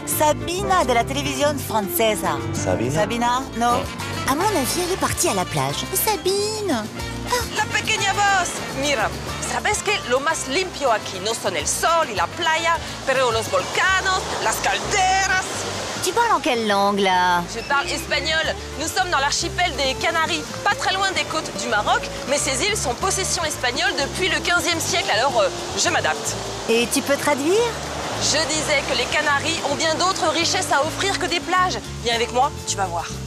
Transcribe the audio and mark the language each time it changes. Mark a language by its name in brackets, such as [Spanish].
[French] Sabina de la télévision française. Sabina? Non. À mon avis, elle est partie à la plage. Sabine! Ah. [Spanish] La pequeña voz! Mira, sabes que lo más limpio aquí no son el sol y la playa, pero los volcanos, las calderas. [French] Tu parles en quelle langue, là? Je parle espagnol. Nous sommes dans l'archipel des Canaries, pas très loin des côtes du Maroc, mais ces îles sont possession espagnole depuis le 15e siècle, alors je m'adapte. Et tu peux traduire? Je disais que les Canaries ont bien d'autres richesses à offrir que des plages. Viens avec moi, tu vas voir.